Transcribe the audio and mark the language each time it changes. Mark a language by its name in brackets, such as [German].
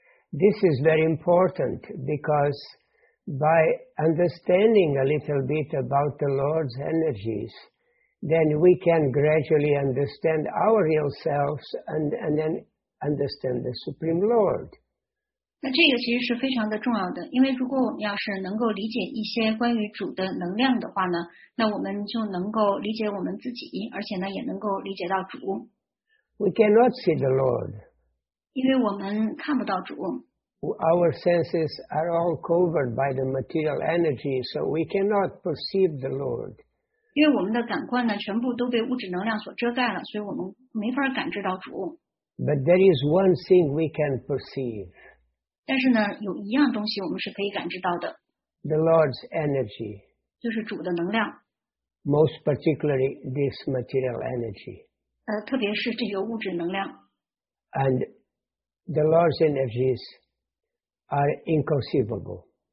[English] This is very important because by understanding a little bit about the Lord's energies, then we can gradually understand our real selves and then understand the Supreme Lord. [Chinese] 那这个其实是非常的重要的，因为如果我们要是能够理解一些关于主的能量的话呢，那我们就能够理解我们自己，而且呢也能够理解到主。 [English] We cannot see the Lord. [Chinese] 因为我们看不到主。 [English] Our senses are all covered by the material energy, so we cannot perceive the Lord. [Chinese] 因为我们的感官呢全部都被物质能量所遮盖了，所以我们没法感知到主。 [English] But there is one thing we can perceive. [Chinese] 但是呢有一样东西我们是可以感知到的。 [English] The Lord's energy. [Chinese] 就是主的能量。 [English] Most particularly this material energy. [Chinese] 特别是这个物质能量。 [English] And the Lord's energies are inconceivable.